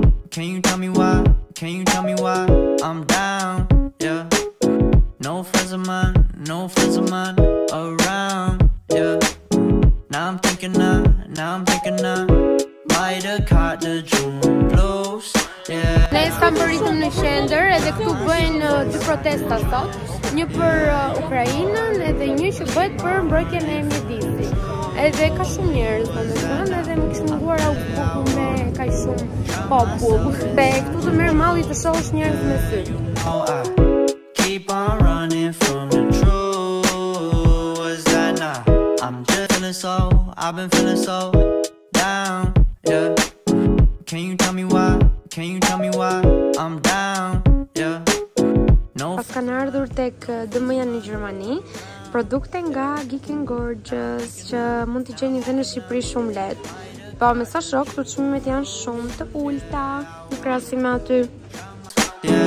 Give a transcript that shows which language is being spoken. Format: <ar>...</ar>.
<en>Can you tell me why, can you tell me why I'm down, yeah. No friends of mine, no friends of mine around, yeah. Now I'm thinking of, now I'm thinking of by the cottage room blues, yeah.</en> <sq>Ne s'kam përritëm në shender, edhe këtu bëjnë dy protesta sot. Një për Ukrajinën, edhe një që bëjt për mbrojtjen e mjedisit. Edhe ka shumë njerëz domethënë, edhe më kishin nguar au popull me kaq shumë popull. Dhe këtu të merr malli të shohësh njerëz me sy.</sq> <en>Keep on running from the truth. Was that not? I'm just feeling so, I've been feeling so down, yeah. Can you tell me why? Can you tell me why I'm down, yeah. No.</en> <sq>Pas kanë ardhur tek DM-ja në Gjermani. Produkte nga Geek & Gorgeous që mund t'i gjeni dhe në Shqipëri shumë lehtë. Po me sa shok, këto çmimet janë shumë të ulta në krahasim me aty.</sq>